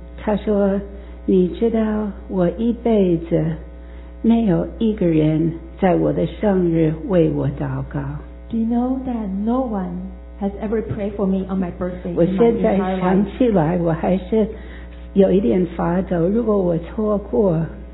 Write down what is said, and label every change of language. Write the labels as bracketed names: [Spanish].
[Chinese] 她说,你知道,我一辈子, 没有一个人在我的生日为我祷告。 [English] Do you know that no one has ever prayed for me on my birthday? [Chinese] 我现在想起来我还是有一点发抖，如果我错过。